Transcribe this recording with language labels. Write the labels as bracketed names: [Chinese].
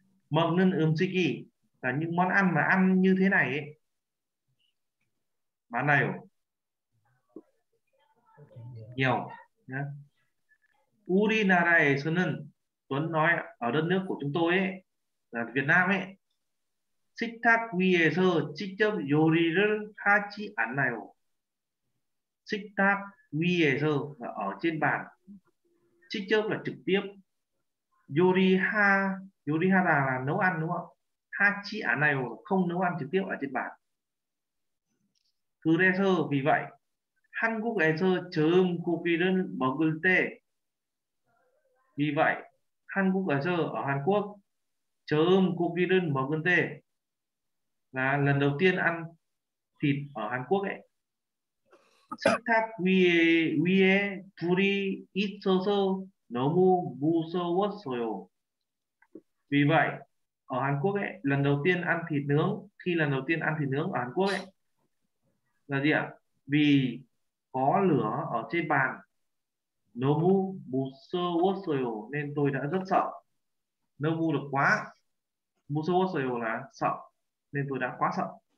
[Korean] 먹는 음식이 [Vietnamese] là những món ăn mà ăn như thế này ấy. Món này nhiều nhé. [Korean] 우리나라에서는 [Vietnamese] Tuấn nói ở đất nước của chúng tôi ấy là Việt Nam ấy. [Korean] 식탁 위에서 직접 요리를 하지 않아요. 식탁 위에서 [Vietnamese] là ở trên bàn. [Korean] 직접 [Vietnamese] là trực tiếp. [Korean] 요리하다 [Vietnamese] là nấu ăn đúng không? [Korean] 하지 않아요 [Vietnamese] là không nấu ăn trực tiếp ở trên bàn. [Korean] 그래서 [Vietnamese] vì vậy [Korean] 한국에서 처음 고기를 먹을 때 [Vietnamese] vì vậy [Korean] 한국에서 [Vietnamese] ở Hàn Quốc 처음 고기를 먹을 때 là lần đầu tiên ăn thịt ở Hàn Quốc ấy. [Korean] 식탁 위에 불이 있어서 너무 무서웠어요. [Vietnamese] Vì vậy ở Hàn Quốc ấy, lần đầu tiên ăn thịt nướng, khi lần đầu tiên ăn thịt nướng ở Hàn Quốc ấy là gì ạ? Vì có lửa ở trên bàn. [Korean] 너무 무서웠어요. [Vietnamese] Nên tôi đã rất sợ. [Korean] 너무 [Vietnamese] được quá. [Korean] 무서웠어요 [Vietnamese] là sợ. Nên tôi đã quá sợ.